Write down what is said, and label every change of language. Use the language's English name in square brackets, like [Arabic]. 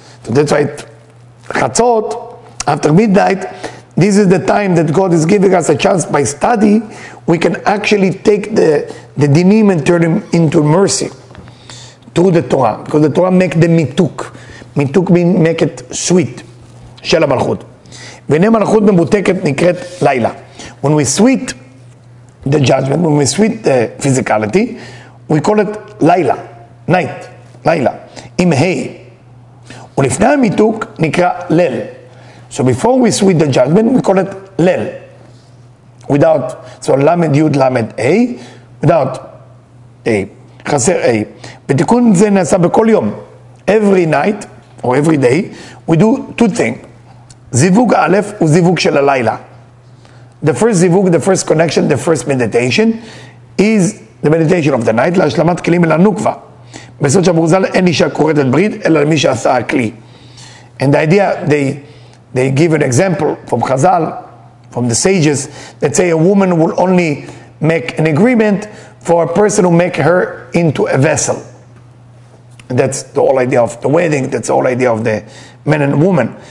[English] So that's why חצות, after midnight, this is the time that God is giving us a chance by study, we can actually take the dinim and turn them into mercy through the Torah. Because the Torah makes the mituk. Mituk means make it sweet. [Hebrew] של המלכות. והנה מלכות ממותקת נקראת לילה. [English] When we sweet the judgment, when we sweet the physicality, we call it לילה. Night. לילה. עם היי. [Hebrew] ולפני המיתוק נקרא לל. [English] So before we sweep the judgment, we call it לל. Without, so למד יוד למד A, without A, חסר A. [Hebrew] בתיקון זה נעשה בכל יום. [English] Every night, or every day, we do two things. [Hebrew] זיווג א' הוא זיווג של הלילה. [English] The first זיווג, the first connection, the first meditation, is the meditation of the night, [Hebrew] להשלמת כלים אל הנוקבה. בסוד שברוזל אין אישה קורדת ברית, אלא למי שעשה הכלי. [English] And the idea, they give an example from Chazal, from the sages, that say a woman will only make an agreement for a person who make her into a vessel. And that's the whole idea of the wedding, that's the whole idea of the man and woman.